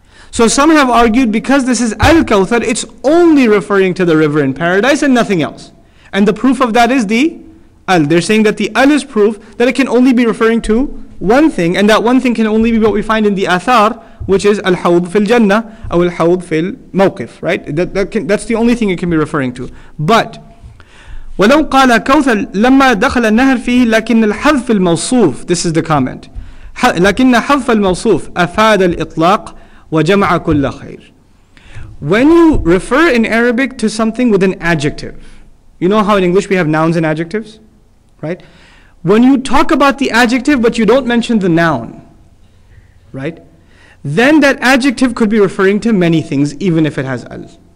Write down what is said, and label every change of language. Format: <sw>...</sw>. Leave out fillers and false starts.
<en>So some have argued because this is al kawthar, it's only referring to the river in paradise and nothing else. And the proof of that is the al. They're saying that the al is proof that it can only be referring to one thing, and that one thing can only be what we find in the athar, which is al-hawd fil jannah or al-hawd fil mawqif, right? That's the only thing it can be referring to.</en> <ar>But وَلَوْ قَالَ كَوْثَرْ لَمَّا دَخَلَ النَّهَرْ فِيهِ لَكِنَّ الْحَذْفِ الْمَوْصُوفِ.</ar> <en>This is the comment.</en> <ar>لكن حذف الموصوف أفاد الإطلاق وجمع كل خير.</ar> <en>When you refer in Arabic to something with an adjective, you know how in English we have nouns and adjectives, right? When you talk about the adjective but you don't mention the noun, right? Then that adjective could be referring to many things, even if it has al.</en>